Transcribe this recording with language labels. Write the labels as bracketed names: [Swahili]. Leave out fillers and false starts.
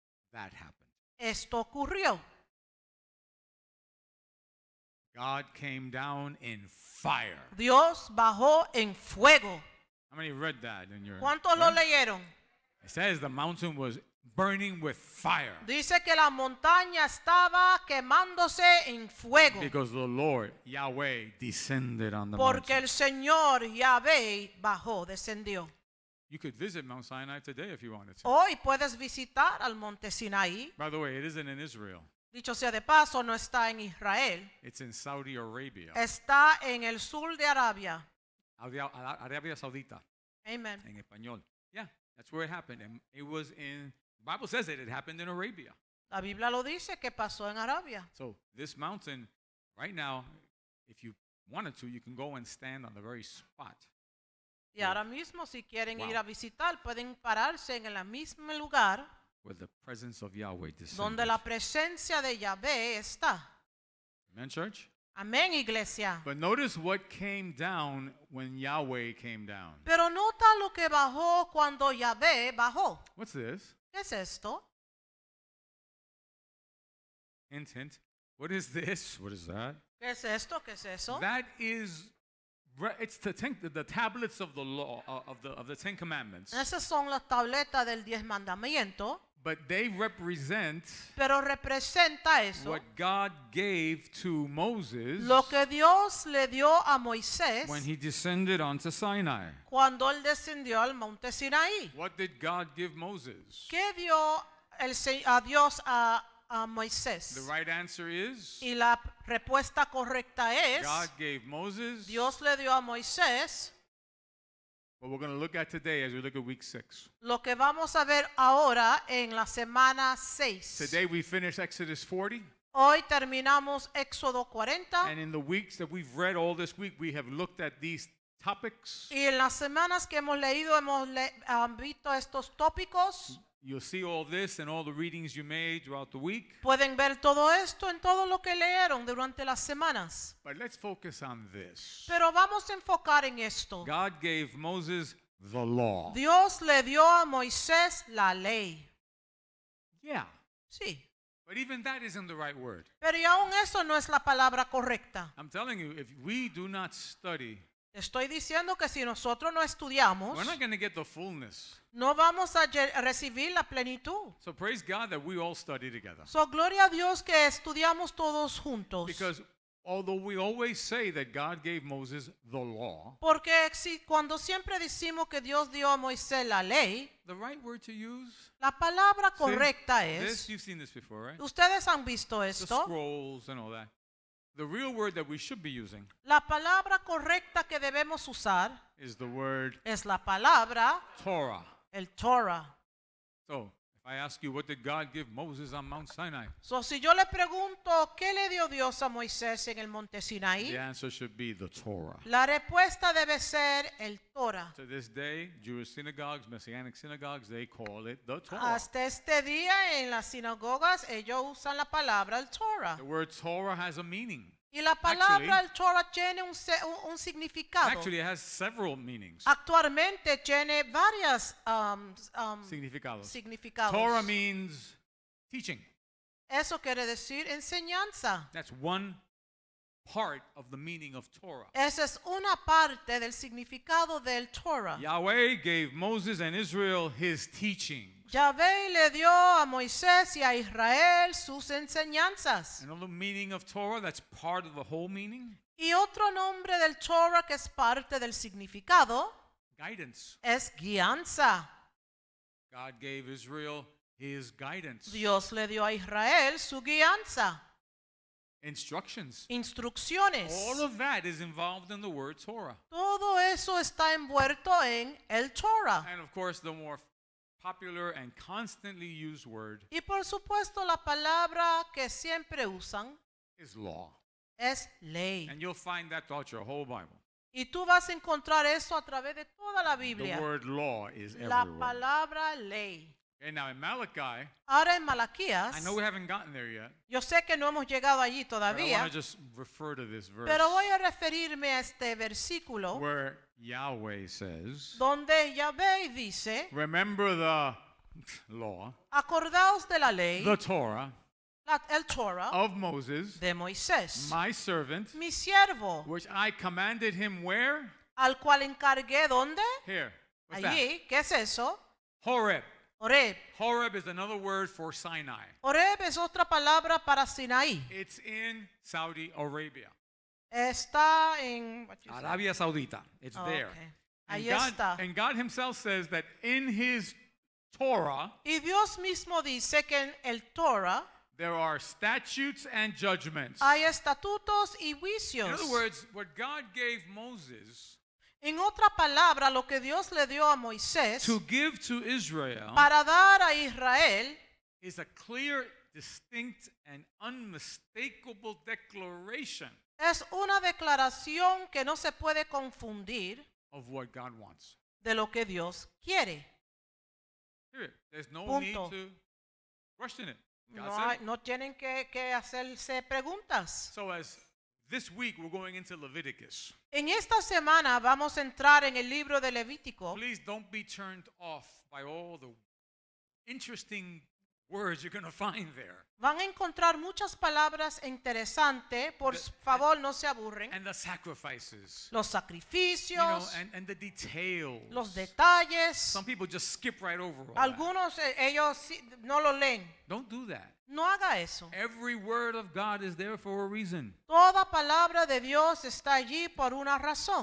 [English] that happened. [Spanish] Esto ocurrió. [English] God came down in fire. [Spanish] Dios bajó en fuego. [English] How many read that in your? [Spanish] ¿Cuántos lo leyeron? [English] It says the mountain was burning with fire. [Spanish] Dice que la montaña estaba quemándose en fuego. [English] Because the Lord Yahweh descended on the [Spanish] porque [English] mountain. [Spanish] Porque el Señor Yahweh bajó, descendió. [English] You could visit Mount Sinai today if you wanted to. [Spanish] Hoy puedes visitar al Monte Sinaí. [English] By the way, it isn't in Israel. [Spanish] Dicho sea de paso, no está en Israel. [English] It's in Saudi Arabia. [Spanish] Está en el sur de Arabia. Arabia Saudita. [English] Amen. [Spanish] En español. [English] Yeah, that's where it happened, and it was in. Bible says that it happened in Arabia. [Spanish] La Biblia lo dice que pasó en Arabia. [English] So this mountain, right now, if you wanted to, you can go and stand on the very spot. [Spanish] Y [English] where, [Spanish] ahora mismo, si quieren wow. Ir a visitar, pueden pararse en el mismo lugar. [English] Where the presence of Yahweh descended. [Spanish] Donde la presencia de Yahweh está. [English] Amen, church. [Spanish] Amén, iglesia. [English] But notice what came down when Yahweh came down. [Spanish] Pero nota lo que bajó cuando Yahweh bajó. [English] What's this? [Spanish] ¿Qué es esto? [English] Hint, hint. What is this? What is that? [Spanish] ¿Qué es esto? ¿Qué es eso? [English] That is, it's the tablets of the law, of the Ten Commandments. [Spanish] Esas son las tabletas del diez mandamiento. [English] But they represent, [Spanish] pero representa eso, [English] what God gave to Moses, [Spanish] lo que Dios le dio a Moisés, [English] when he descended onto Sinai. [Spanish] Cuando él descendió al Monte Sinaí. [English] What did God give Moses? [Spanish] ¿Qué dio el a Dios a Moisés. [English] The right answer is, [Spanish] y la respuesta correcta es, [English] God gave Moses, [Spanish] Dios le dio a Moisés. [English] What we're going to look at today as we look at week 6. [Spanish] Lo que vamos a ver ahora en la semana 6. [English] Today we finish Exodus 40. [Spanish] Hoy terminamos Éxodo 40. [English] And in the weeks that we've read all this week, we have looked at these topics. [Spanish] Y en las semanas que hemos leído, hemos visto estos tópicos. [English] You'll see all this and all the readings you made throughout the week. [Spanish] Pueden ver todo esto en todo lo que leyeron durante las semanas. [English] But let's focus on this. [Spanish] Pero vamos a enfocar en esto. [English] God gave Moses the law. [Spanish] Dios le dio a Moisés la ley. [English] Yeah. [Spanish] Sí. [English] But even that isn't the right word. [Spanish] Pero y aún eso no es la palabra correcta. [English] I'm telling you, if we do not study, [Spanish] estoy diciendo que si nosotros no estudiamos, [English] we're not going to get the fullness. [Spanish] No vamos a recibir la plenitud. [English] So praise God that we all study together. [Spanish] So gloria a Dios que estudiamos todos juntos. [English] Because although we always say that God gave Moses the law, [Spanish] porque si, cuando siempre decimos que Dios dio a Moisés la ley, [English] the right word to use, [Spanish] la palabra correcta es, [English] this, you've seen this before, right? [Spanish] Ustedes han visto esto. [English] The scrolls and all that. The real word that we should be using, [Spanish] la palabra correcta que debemos usar, [English] is the word, [Spanish] es la palabra [English] Torah. [Spanish] El Torah. [English] So, if I ask you, what did God give Moses on Mount Sinai? [Spanish] So, si yo le pregunto, ¿qué le dio Dios a Moisés en el monte Sinaí? [English] The answer should be the Torah. [Spanish] La respuesta debe ser el Torah. [English] To this day, Jewish synagogues, Messianic synagogues, they call it the Torah. [Spanish] Hasta este día, en las sinagogas, ellos usan la palabra el Torah. [English] The word Torah has a meaning. [Spanish] Y la palabra el Torah tiene un significado. [English] Actually, it has several meanings. [Spanish] Actualmente tiene varias significados. [English] Torah means teaching. [Spanish] Eso quiere decir enseñanza. [English] That's one part of the meaning of Torah. [Spanish] Esa es una parte del significado del Torah. [English] Yahweh gave Moses and Israel his teaching. [Spanish] Yahvé le dio a Moisés y a Israel sus enseñanzas. [English] Another meaning of Torah, that's part of the whole meaning. [Spanish] Y otro nombre del Torah que es parte del significado, [English] guidance, [Spanish] es guianza. [English] God gave Israel his guidance. [Spanish] Dios le dio a Israel su guianza. [English] Instructions. [Spanish] Instrucciones. [English] All of that is involved in the word Torah. [Spanish] Todo eso está envuelto en el Torah. [English] And of course, the more popular and constantly used word, [Spanish] y por supuesto la palabra que siempre usan, [English] is law. [Spanish] Es ley. [English] And you'll find that throughout your whole Bible. [Spanish] Y tú vas a encontrar eso a través de toda la Biblia. [English] The word law is everywhere. [Spanish] La palabra ley. [English] And now in Malachi, [Spanish] ahora en Malaquías, [English] I know we haven't gotten there yet. [Spanish] Yo sé que no hemos llegado allí todavía. [English] But I want to just refer to this verse. [Spanish] Pero voy a referirme a este versículo. [English] Where Yahweh says, [Spanish] donde Yahweh dice, [English] remember the law, [Spanish] acordaos de la ley, [English] the Torah, [Spanish] la, el Torah, [English] of Moses, [Spanish] de Moisés, [English] my servant, [Spanish] mi siervo, [English] which I commanded him where? [Spanish] Al cual encargué, donde? [English] Here. What's [Spanish] allí, [English] that? [Spanish] ¿Qué es eso? [English] Horeb. [Spanish] Horeb. [English] Horeb is another word for Sinai. [Spanish] Horeb es otra palabra para Sinaí. [English] It's in Saudi Arabia. [Spanish] Está en Arabia Saudita. [English] It's oh, there. Okay. And, [Spanish] está. [English] And God himself says that in his Torah, [Spanish] y Dios mismo dice que en el Torah, [English] there are statutes and judgments. [Spanish] Hay estatutos y juicios. [English] In other words, what God gave Moses, [Spanish] en otra palabra, lo que Dios le dio a Moisés, [English] to give to Israel, [Spanish] para dar a Israel, [English] is a clear, distinct, and unmistakable declaration. [Spanish] Es una declaración que no se puede confundir [English] of what God wants. [Spanish] De lo que Dios quiere. [English] There's no [Spanish] punto. [English] Need to question it. God [Spanish] no, [English] said it. [Spanish] No tienen que hacerse preguntas. [English] So as this week we're going into Leviticus. [Spanish] En esta semana vamos a entrar en el libro de Levítico. [English] Please don't be turned off by all the interesting words you're going to find there. [Spanish] Van a encontrar muchas palabras interesantes. Por favor, no se aburren. [English] And the sacrifices. [Spanish] Los sacrificios. [English] You know, and the details. [Spanish] Los detalles. [English] Some people just skip right over all [Spanish] algunos, [English] that. [Spanish] Ellos no lo leen. [English] Don't do that. [Spanish] No haga eso. [English] Every word of God is there for a reason. [Spanish] Toda palabra de Dios está allí por una razón.